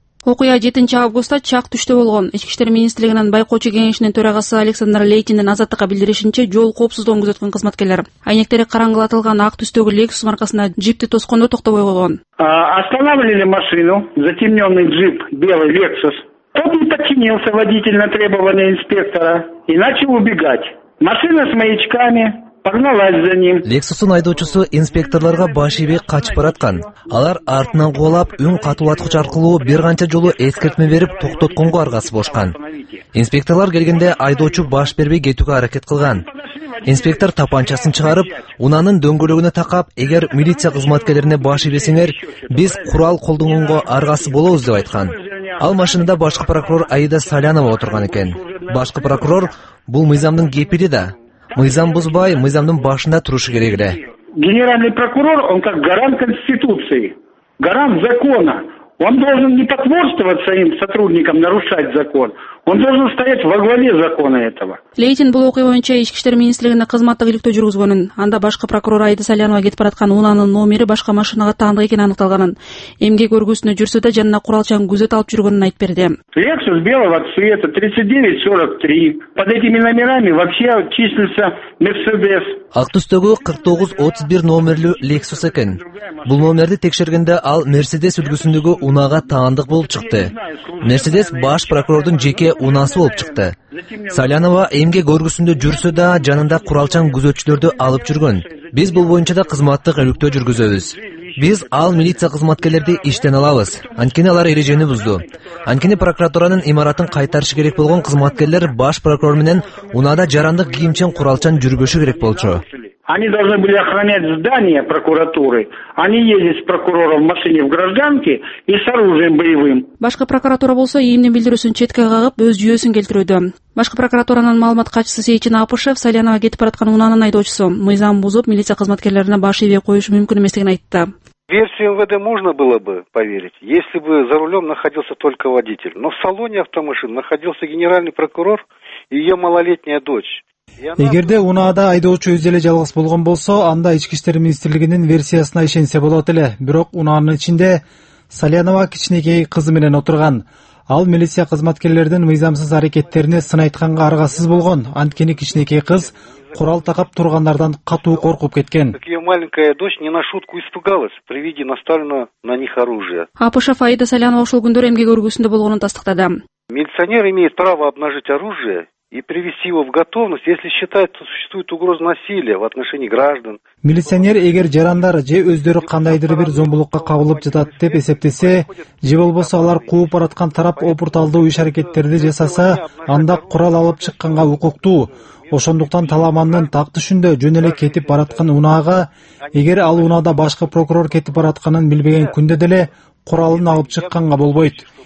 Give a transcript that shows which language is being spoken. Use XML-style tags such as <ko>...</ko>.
<ky>Окуя 7 августта чак түштө болгон. Ички иштер министрлигинин байкоочу кеңешинин төрагасы Александр Лейкиндин азаттыкка билдиришинче жол коопсуздугун көзөткөн кызматкерлер айнектери караңгылатылган ак түстөгү Lexus маркасына джипти тоскондо токтобой койгон.</ky> <ru>Останавливали машину, затемнённый джип, белый Lexus. Тот не подчинился водитель на требования инспектора и начал убегать. Машина с маячками погналась за ним.</ru> <ky>Lexus'ун айдоочусу инспекторлорго баш ийбей качып бараткан. Алар артынан коолап, үн катуулатуучу аркылуу бир канча жолу эскертме берип токтотконго аргасы болушкан. Инспекторлор келгенде айдоочу баш бербей кетүүгө аракет кылган. Инспектор тапанчасын чыгарып, унанын дөңгөлөгүнө такап, эгер милиция кызматкерлерине баш ийбесеңер, биз курал колдонгонго аргасы болобуз деп айткан. Ал машинада башкы прокурор Аида Салянова отурган экен. Башкы прокурор бул мыйзамдын кепили да. Мыйзам бузбай, мыйзамдын башында турушу керек эле.</ky> <ru>Генеральный прокурор, он как гарант конституции, гарант закона. Он должен не потворствовать своим сотрудникам нарушать закон. Он должен стоять во главе закона этого.</ru> <ky>Лейтин бул окуя боюнча ички иштер министрлигинин кызматтык иликтөө жүргүзгөнүн, анда башкы прокурор Айда Салянова кетип бараткан унаанын номери башка машинага таандык экени аныкталганын, эмгек өргүүсүнө жүрсө да жанына куралчаны күзөтүп алып жүргөнүн айтып берди.</ky> <ru>Lexus белого цвета 3943. Под этими номерами вообще числится Mercedes.</ru> <ky>Ак түстөгү 4931 номерлүү Lexus экен. Бул номерди текшергенде ал Mercedes үлгүсүндөгү унаага таандык болуп чыкты. Mercedes баш прокурордун жеке унаасы болуп чыкты. Салянова эмгек өргүсүндө жүрсө да жанында куралчан күзөтчүлөрдү алып жүргөн. Биз бул боюнча да кызматтык иликтөө жүргүзөбүз. Биз ал милиция кызматкерлерди иштен алабыз. Анткени алар эрежени бузду. Анткени прокуратуранын имаратын кайтарышы керек болгон кызматкерлер баш прокурор менен унаада жарандык кийимчен куралчан жүргөшү керек болчу.</ky> <ru>Они должны были охранять здание прокуратуры. Они ездят с прокурором в машине в гражданке и с оружием боевым.</ru> <ky>Башкы прокуратура болсо ийимдин билдирүүсүн четке кагып өз жүйөсүн келтирүүдө. Башкы прокуратуранын маалымат катчысы Сейчин Апышев Салянова кетип бараткан унаанын айдоочусу мыйзам бузуп милиция кызматкерлерине баш ийбей коюшу мүмкүн эместигин айтты.</ky> <ru>Версию МВД можно было бы поверить, если бы за рулем находился только водитель. Но в салоне автомашины находился генеральный прокурор и ее малолетняя дочь.</ru> <ky>Эгерде унаада айдоочу өзү эле жалгыз болгон болсо, анда Ички иштер министрлигинин версиясына ишенсе болот эле. Бирок унаанын ичинде Салянова кичинекей кызы менен отурган. Ал милиция кызматкерлердин мыйзамсыз аракеттерине сын айтканга аргасыз болгон. Анткени кичинекей кыз курал такап тургандардан катуу коркуп кеткен.</ky> <ru>Ее маленькая дочь не на шутку испугалась при виде наставленного на них оружия.</ru> <ky>Апышев Аида Салянова ушул күндөр эмгек өргүүсүндө болгонун тастыктады.</ky> <ru>Милиционер имеет право обнажить оружие и привести его в готовность, если считает, что существует угроза насилия в отношении граждан.</ru> <ky>Милиционер, егер жарандар же өздөрү кандайдыр бир зомбулукка кабылып жатат деп эсептесе, же болбосо алар кууп бараткан тарап опурталдуу иш аракеттерди жасаса, анда курал алып чыкканга укуктуу. Ошондуктан таламандын так түшүндө жөн эле кетип бараткан унаага, эгер ал унаада башкы прокурор кетип баратканын билбеген күндө деле куралын алып чыкканга болбойт.</ky>